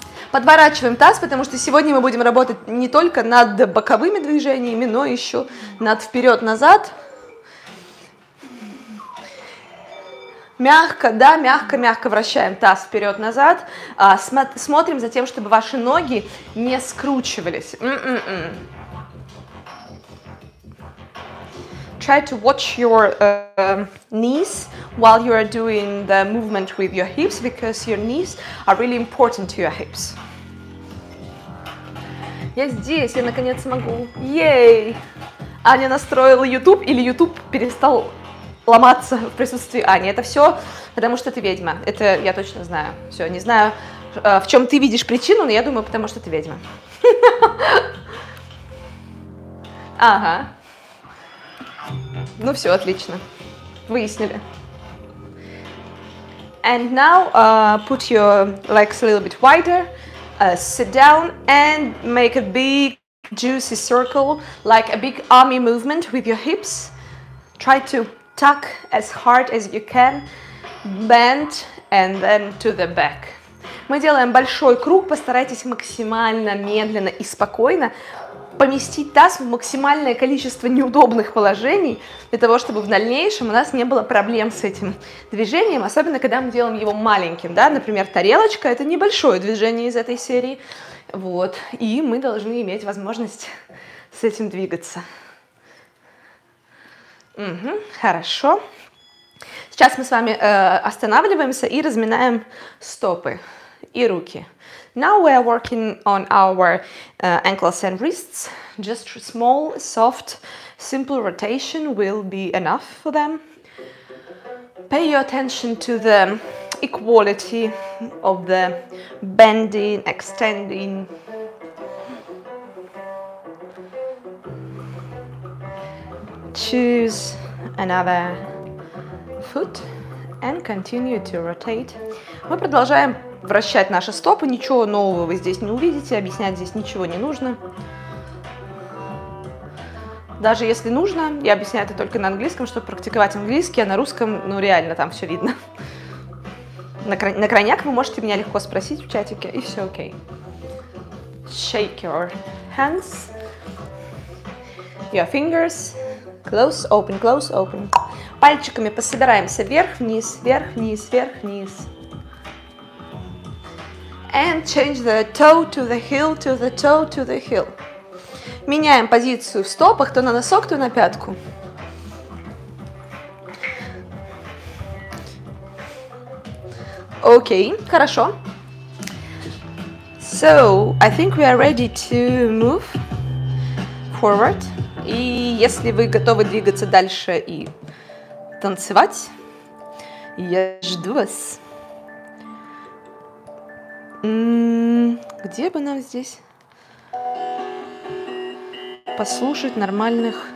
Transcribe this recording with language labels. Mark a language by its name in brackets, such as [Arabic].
[Russian] Подворачиваем таз, потому что сегодня мы будем работать не только над боковыми движениями, но еще над вперед-назад. Мягко, да, мягко-мягко вращаем таз вперед-назад. Смотрим за тем, чтобы ваши ноги не скручивались. [English] try to watch your knees while you are doing the movement with your hips, because your knees are really important to your hips. [Russian] Я здесь, я наконец могу. Yay! Аня настроила YouTube, или YouTube перестал ломаться в присутствии Ани. Это все потому, что ты ведьма. Это я точно знаю. Все, не знаю, в чем ты видишь причину, но я думаю, потому что ты ведьма. Ага. Ну все, отлично. Выяснили. [English] And now put your legs a little bit wider. Sit down and make a big juicy circle, like a big army movement with your hips. Try to tuck as hard as you can, bend, and then to the back. [Russian] Мы делаем большой круг, постарайтесь максимально медленно и спокойно поместить таз в максимальное количество неудобных положений, для того, чтобы в дальнейшем у нас не было проблем с этим движением, особенно когда мы делаем его маленьким, да, например, тарелочка – это небольшое движение из этой серии, вот, и мы должны иметь возможность с этим двигаться. Угу, хорошо. Сейчас мы с вами останавливаемся и разминаем стопы и руки. [English] Now we are working on our ankles and wrists. Just small, soft, simple rotation will be enough for them. Pay your attention to the equality of the bending, extending. Choose another foot and continue to rotate. [Russian] Мы продолжаем вращать наши стопы, ничего нового вы здесь не увидите, объяснять здесь ничего не нужно. Даже если нужно, я объясняю это только на английском, чтобы практиковать английский, а на русском, ну реально, там все видно. На крайняк вы можете меня легко спросить в чатике, и все окей. [English] Shake your hands, your fingers, close, open, close, open. [Russian] Пальчиками пособираемся вверх-вниз, вверх-вниз, вверх-вниз. [English] And change the toe to the heel, to the toe to the heel. [Russian] Меняем позицию в стопах, то на носок, то на пятку. Okay, хорошо. [English] So, I think we are ready to move forward. [Russian] И если вы готовы двигаться дальше и танцевать, я жду вас. Где бы нам здесь послушать нормальных...